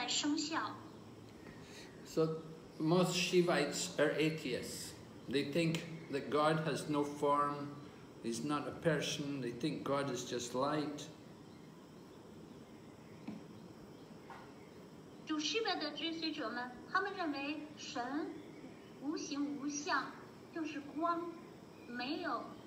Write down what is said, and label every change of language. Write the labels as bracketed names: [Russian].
[Chinese] 据说这两个诅咒现在就是当今年代都仍然在生效。So [English] most Shivites are atheists. They think that God has no form, He's not a person, they think God is just light. [Chinese] 主Shiva的追随者们，他们认为神无形无相，就是光，没有。